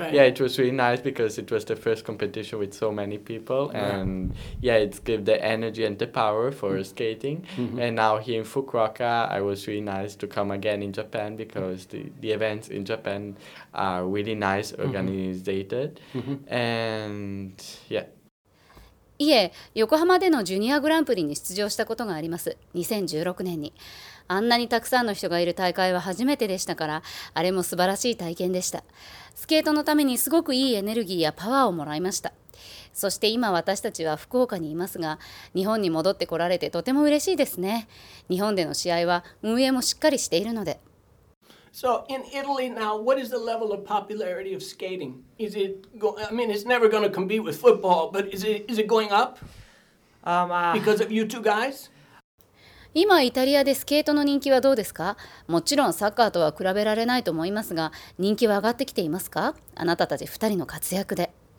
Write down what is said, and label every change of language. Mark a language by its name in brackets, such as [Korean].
[English] Yeah, it was really nice because it was the first competition with so many people. And yeah, it gave the energy and the power for skating. And now here in Fukuoka, I was really nice to come again in Japan because the events in Japan are really nice, organized. And yeah. [Japanese] いえ、横浜でのジュニアグランプリに出場したことがあります。2016年に。あんなにたくさんの人がいる大会は初めてでしたから、あれも素晴らしい体験でした。スケートのためにすごくいいエネルギーやパワーをもらいました。そして今私たちは福岡にいますが、日本に戻ってこられてとても嬉しいですね。日本での試合は運営もしっかりしているので。 [English] So, in Italy now, what is the level of popularity of skating? Is it, it's never going to compete with football, but is it going up because of you two guys? [Japanese] 今、イタリアでスケートの人気はどうですか?もちろんサッカーとは比べられないと思いますが、人気は上がってきていますか? あなたたち2人の活躍で。